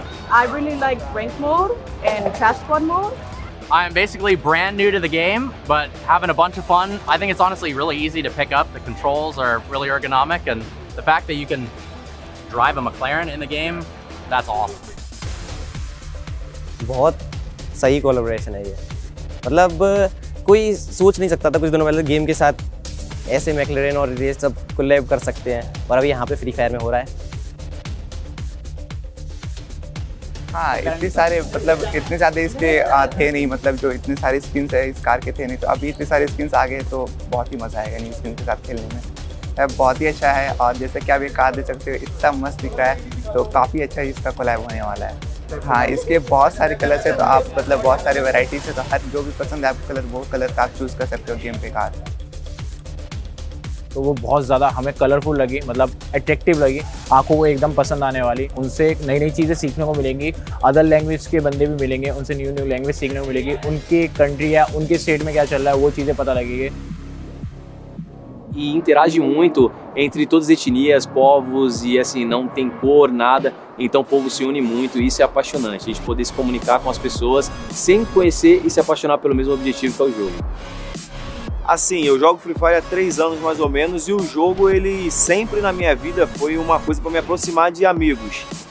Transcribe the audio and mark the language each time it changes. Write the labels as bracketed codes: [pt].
[en] I really like ranked mode and fast squad mode. I'm basically brand new to the game, but having a bunch of fun. I think it's honestly really easy to pick up. The controls are really ergonomic, and the fact that you can drive a McLaren in the game, that's awesome. [hi] बहुत सही collaboration है ये. मतलब कोई सोच नहीं सकता था कुछ दिनों पहले गेम के साथ ऐसे McLaren और ये सब कोलैब कर सकते हैं. और अभी यहाँ पे Free Fire में हो रहा है. इतने सारे इसके थे नहीं, मतलब जो इतने सारे स्किन्स है इस कार के थे नहीं, तो अभी इतने सारे स्किन्स आ गए तो बहुत ही मजा आएगा न्यू स्किन के साथ खेलने में। बहुत ही अच्छा है और जैसे कि आप ये कार देख सकते हो इतना मस्त दिख रहा है, तो काफ़ी अच्छा इसका कोलैब होने वाला है। हाँ, इसके बहुत सारे कलर्स है, तो आप मतलब बहुत सारे वैरायटीज है, तो हर जो भी पसंद है आपको कलर, वो कलर आप चूज़ कर सकते हो गेम पे कार। तो वो बहुत ज़्यादा हमें कलरफुल लगी, मतलब अट्रैक्टिव लगी, आंखों को एकदम पसंद आने वाली, उनसे एक नई नई चीज़ें सीखने को मिलेंगी, अदर लैंग्वेज के बंदे भी मिलेंगे, उनसे न्यू न्यू लैंग्वेज सीखने को मिलेगी, उनके कंट्री है उनके स्टेट में क्या चल रहा है वो चीज़ें पता लगेगी। [pt] E interage muito entre todas as etnias, povos, e assim, não tem cor, nada. Então o povo se une muito, e isso é apaixonante. A gente poder se comunicar com as pessoas sem conhecer e se apaixonar pelo mesmo objetivo que é o jogo. Assim, eu jogo Free Fire há 3 anos mais ou menos, e o jogo, ele sempre na minha vida foi uma coisa para me aproximar de amigos.